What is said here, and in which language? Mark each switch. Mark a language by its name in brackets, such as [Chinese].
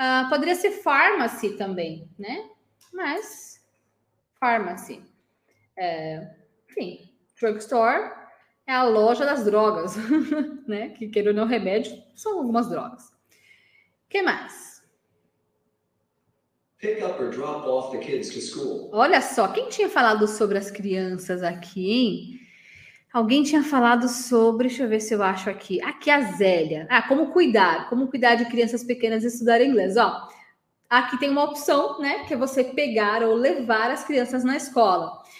[Portuguese] Poderia ser pharmacy também, né? Mas, pharmacy. Enfim, drugstore é a loja das drogas, né? Que queira ou não remédio, são algumas drogas. O que mais? [English] Pick up or drop off the kids to school. [Portuguese] Olha só, quem tinha falado sobre as crianças aqui, hein? Alguém tinha falado sobre, deixa eu ver se eu acho aqui. Aqui a Zélia. Ah, como cuidar de crianças pequenas e estudar inglês. Ó, aqui tem uma opção, né, que é você pegar ou levar as crianças na escola.